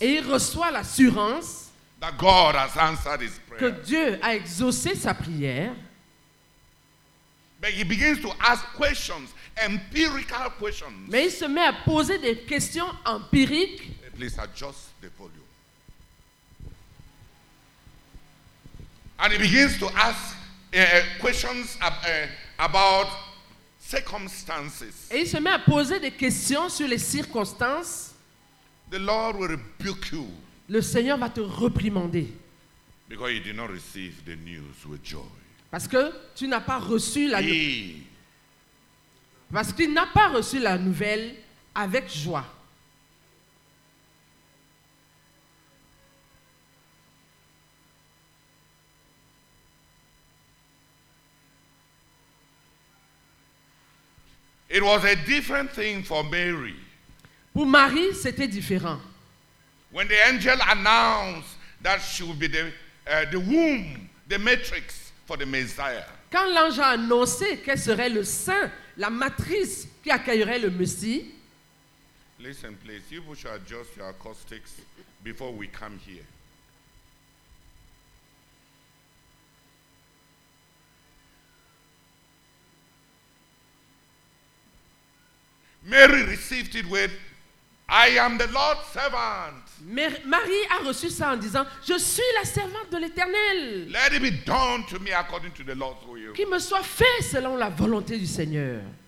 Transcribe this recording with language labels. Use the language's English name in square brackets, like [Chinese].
[French] Et il reçoit l'assurance [English] that God has answered his prayer. [French] Que Dieu a exaucé sa prière. [English] But he begins to ask questions. Empirical questions. [French] Mais il se met à poser des questions empiriques. [English] Please adjust the volume. And he begins to ask questions about circumstances. [French] Et il se met à poser des questions sur les circonstances. [English] The Lord will rebuke you. [French] Le Seigneur va te réprimander. [English] Because you did not receive the news with joy. [French] Parce que tu n'as pas reçu la nouvelle. Parce qu'il n'a pas reçu la nouvelle avec joie. [English] It was a different thing for Mary. [French] Pour Marie, c'était différent. [English] When the angel announced that she would be the womb, the matrix for the Messiah. [French] Quand l'ange a annoncé qu'elle serait le sein, la matrice qui accueillerait le Messie. [English] Listen, please, you should adjust your acoustics before we come here. Mary received it with, I am the Lord's servant. [French] Marie a reçu ça en disant, je suis la servante de l'Éternel. [English] Let it be done to me according to the Lord's will. [French] Qu'il me soit fait selon la volonté du Seigneur.